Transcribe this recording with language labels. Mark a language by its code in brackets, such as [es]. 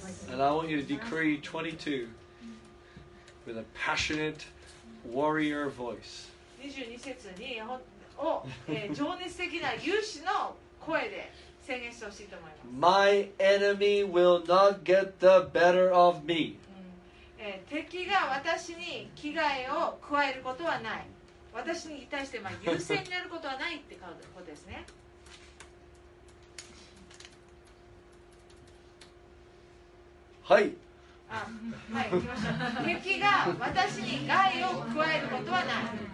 [en] And I want you to decree 22 with a passionate warrior voice. [ja] 22節に、を、情熱的な勇士の声で。 [en] My enemy will not get the better of me. [ja] 敵が私に危害を加えることはない。私に対して優勢になることはないってことですね。はい。はい、行きましょう。敵が私に害を加えることはない。